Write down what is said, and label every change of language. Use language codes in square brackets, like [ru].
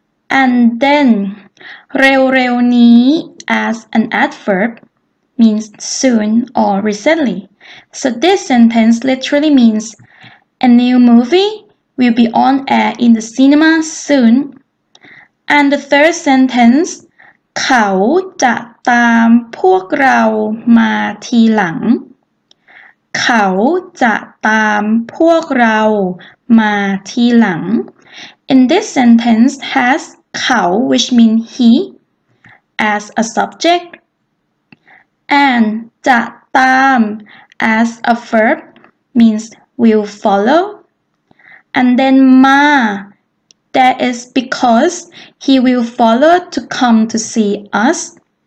[en] And then เร็วๆนี้ as an adverb means soon or recently. So this sentence literally means a new movie will be on air in the cinema soon. [th] And the third sentence, เขาจะตามพวกเรามาทีหลัง. เขาจะตามพวกเรามาทีหลัง. [en] In this sentence has เขา, which means he, as a subject, and จะตาม as a verb means will follow, and then มา, that is because he will follow to come to see us.